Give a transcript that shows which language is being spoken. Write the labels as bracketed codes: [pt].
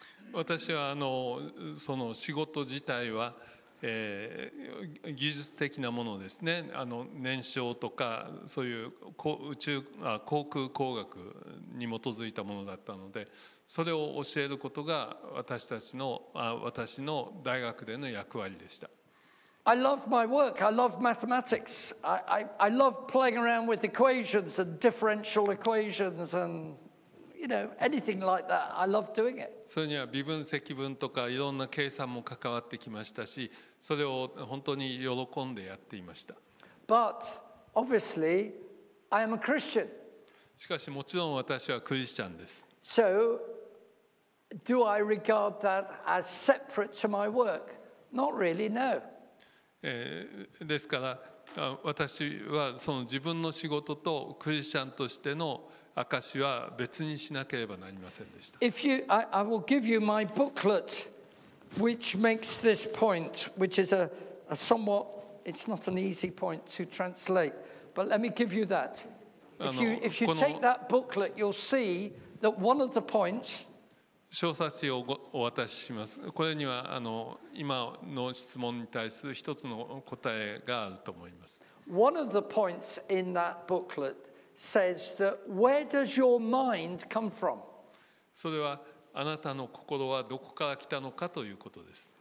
[ja] 私はあのその仕事自体は、技術的なものですね。あの燃焼とかそういう航空工学に基づいたものだったので、それを教えることが私たちの私の大学での役割でした。 [en] I love my work. I love mathematics. I love playing around with equations and differential equations and You know, anything like that. I love doing it. [ja] それには微分積分とかいろんな計算も関わってきましたし、それを本当に喜んでやっていました。 [en] But obviously, I am a Christian. [ja] しかしもちろん私はクリスチャンです。 [en] So, do I regard that as separate to my work? Not really, no. [ja] ですから私はその自分の仕事とクリスチャンとしての証は別にしなければなりませんでした。 [en] If you, I will give you my booklet, which makes this point, which is a somewhat, it's not an easy point to translate, but let me give you that. If you take that booklet, you'll see that one of the points. [ja] 小冊子をお渡しします。これには今の質問に対する一つの答えがあると思います。 [en] One of the points in that booklet. Says that where does your mind come from? [ja] それはあなたの心はどこから来たのかということです。